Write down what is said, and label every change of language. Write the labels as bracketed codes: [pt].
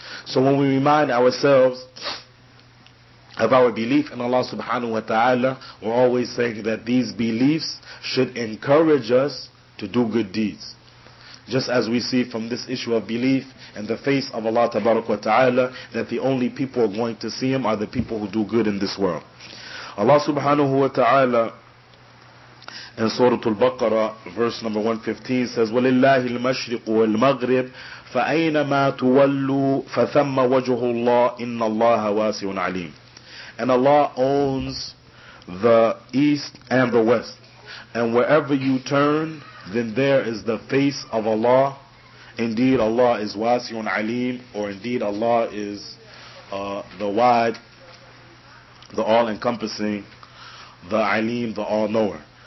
[en] So when we remind ourselves of our belief in Allah subhanahu wa ta'ala, we're always saying that these beliefs should encourage us to do good deeds. Just as we see from this issue of belief in the face of Allah tabarak wa ta'ala, that the only people going to see Him are the people who do good in this world. Allah subhanahu wa ta'ala in Surah Al-Baqarah, verse number 115, says, [ar] وَلِلَّهِ الْمَشْرِقُ وَالْمَغْرِبِ فَأَيْنَمَا تُوَلُّوا فَثَمَّ وَجُهُ اللَّهِ إِنَّ اللَّهَ وَاسِعٌ عَلِيمٌ. [en] And Allah owns the east and the west. And wherever you turn, then there is the face of Allah. Indeed, Allah is wasi'un alim, or indeed Allah is the wide, the all-encompassing, the alim, the all-knower.